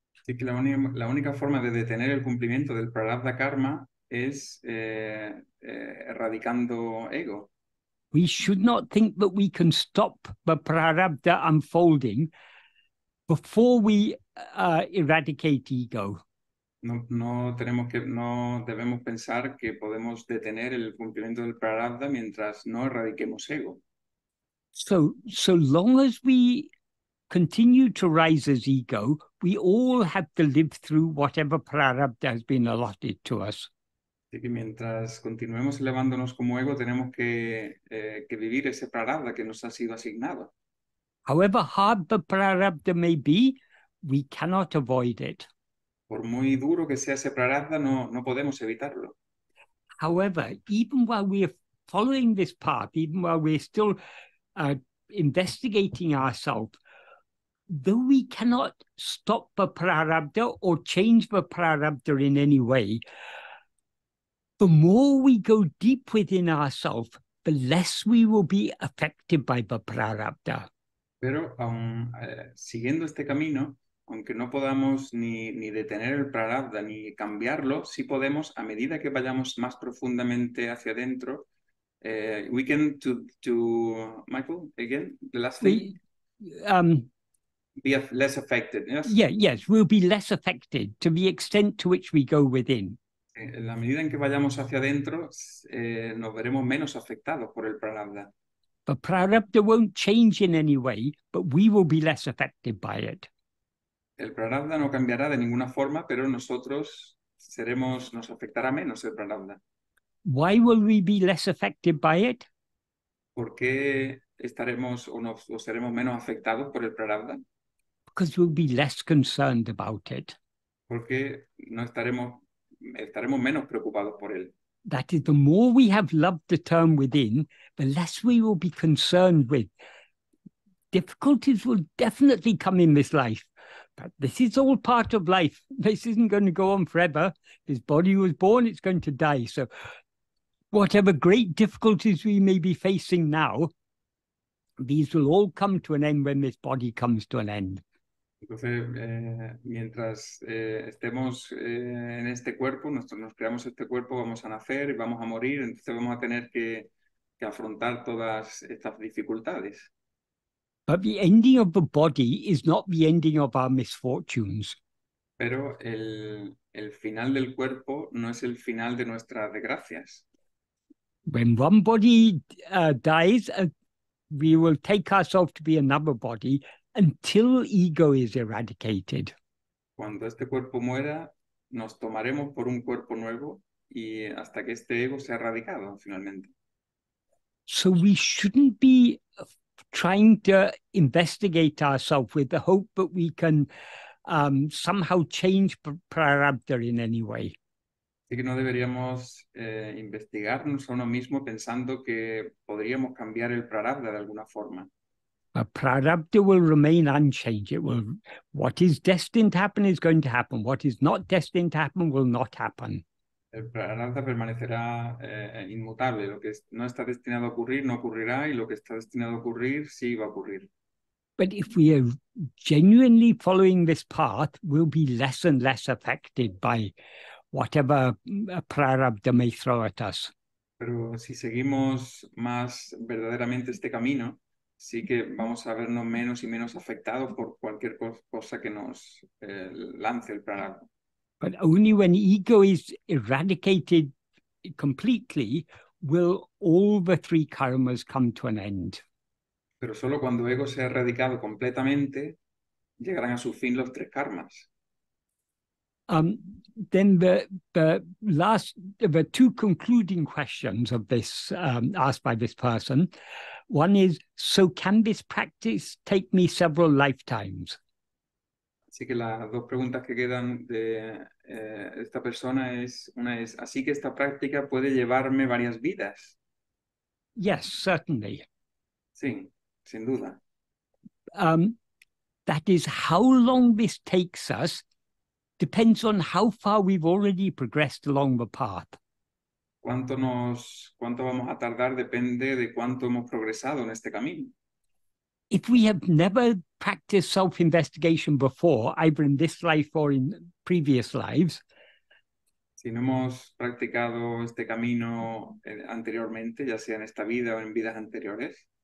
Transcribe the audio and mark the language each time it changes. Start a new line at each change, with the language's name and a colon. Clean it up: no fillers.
Spanish: Así que la única forma de detener el cumplimiento del prarabdha karma es erradicando ego.
English: We should not think that we can stop the prarabdha unfolding before we eradicate ego.
Spanish: No debemos pensar que podemos detener el cumplimiento del prarabdha mientras no erradiquemos ego.
English: So long as we continue to rise as ego, we all have to live through whatever prarabdha has been allotted to us.
Spanish: Y mientras continuemos elevándonos como ego, tenemos que vivir ese prarabdha que nos ha sido asignado.
English: However hard the prarabdha may be, we cannot avoid it.
Spanish: Por muy duro que sea ese prarabdha, no podemos evitarlo.
English: However, even while we are following this path, even while we're still investigating ourselves, though we cannot stop the prarabdha or change the prarabdha in any way, the more we go deep within ourselves, the less we will be affected by the prarabdha.
Spanish: Pero siguiendo este camino, aunque no podamos ni detener el prarabdha ni cambiarlo, sí podemos, a medida que vayamos más profundamente hacia adentro,
English: we can to Michael, again, the last thing, be less affected. Yes? Yes, we'll be less affected to the extent to which we go within.
Spanish: En la medida en que vayamos hacia adentro, nos veremos menos afectados por el prarabdha.
English: The prarabdha won't change in any way, but we will be less affected by it.
Spanish: El prarabdha no cambiará de ninguna forma, pero nosotros seremos, nos afectará menos el prarabdha.
English: Why will we be less affected by it?
Spanish: ¿Por qué estaremos o seremos menos afectados por el prarabdha?
English: Because we'll be less concerned about it.
Spanish: Porque no estaremos menos preocupados por él.
English: That is, the more we have loved the term within, the less we will be concerned with. Difficulties will definitely come in this life. But this is all part of life. This isn't going to go on forever. This body was born, it's going to die. So whatever great difficulties we may be facing now, these will all come to an end when this body comes to an end.
Spanish: Entonces, mientras estemos en este cuerpo, nos creamos este cuerpo, vamos a nacer y vamos a morir, entonces vamos a tener que afrontar todas estas dificultades.
English: But the ending of the body is not the ending of our misfortunes.
Spanish: Pero el final del cuerpo no es el final de nuestras desgracias.
English: When one body dies, we will take ourselves to be another body until ego is eradicated.
Spanish: Cuando este cuerpo muera, nos tomaremos por un cuerpo nuevo y hasta que este ego sea erradicado finalmente.
English: So we shouldn't be trying to investigate ourselves with the hope that we can somehow change prarabdha in any way.
Spanish: Así que no deberíamos investigarnos a uno mismo pensando que podríamos cambiar el prarabdha de alguna forma.
English: A prarabdha will remain unchanged. It will, what is destined to happen is going to happen. What is not destined to happen will not happen.
Spanish: El prarabdha permanecerá inmutable. Lo que no está destinado a ocurrir no ocurrirá, y lo que está destinado a ocurrir sí va a ocurrir.
English: But if we are genuinely following this path, we'll be less and less affected by whatever a prarabdha may throw at us.
Spanish: Pero si seguimos más verdaderamente este camino, sí que vamos a vernos menos y menos afectados por cualquier cosa que nos lance el prarabdha.
English: But only when ego is eradicated completely will all the three karmas come to an end.
Spanish: Pero solo cuando ego sea erradicado completamente llegarán a su fin los tres karmas.
English: Then the two concluding questions of this asked by this person. One is, so can this practice take me several lifetimes?
Spanish: Así que las dos preguntas que quedan de esta persona es, una es, ¿así que esta práctica puede llevarme varias vidas?
English: Yes, certainly.
Spanish: Sí, sin duda.
English: That is, how long this takes us depends on how far we've already progressed along the path.
Spanish: Cuánto vamos a tardar depende de cuánto hemos progresado en este camino.
English: If we have never practiced self-investigation before, either in this life or in previous lives,
Spanish: si no hemos practicado este camino anteriormente, ya sea en esta vida o en vidas anteriores,